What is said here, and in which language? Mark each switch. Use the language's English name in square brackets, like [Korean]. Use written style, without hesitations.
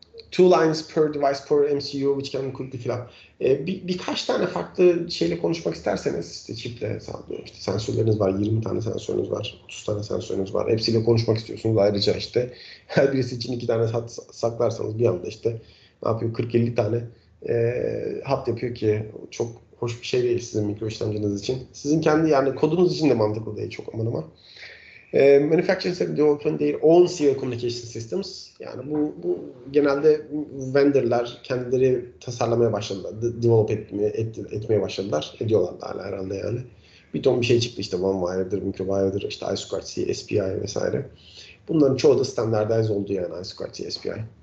[English] Two lines per device per MCU which can include the filan. [Turkish] Birkaç tane farklı şeyle konuşmak isterseniz işte çiple sağlıyor. İşte sensörleriniz var, 20 tane sensörünüz var, 30 tane sensörünüz var. Hepsiyle konuşmak istiyorsunuz ayrıca işte. Her birisi için 2 tane hat saklarsanız bir anda işte ne yapıyor? 40-50 tane hat yapıyor ki çok hoş bir şey değil sizin mikro işlemciniz için. Sizin kendi yani kodunuz için de mantıklı değil çok aman aman. [English] Manufacturers have developed their own serial communication systems. [Turkish] Yani bu genelde vendorlar kendileri tasarlamaya başladılar, develop etmeye başladılar, ediyorlar da hala herhalde yani. Bir ton bir şey çıktı işte one wire'dır, micro wire'dır, işte I2C, SPI vesaire. Bunların çoğu da standardize oldu yani I2C, SPI.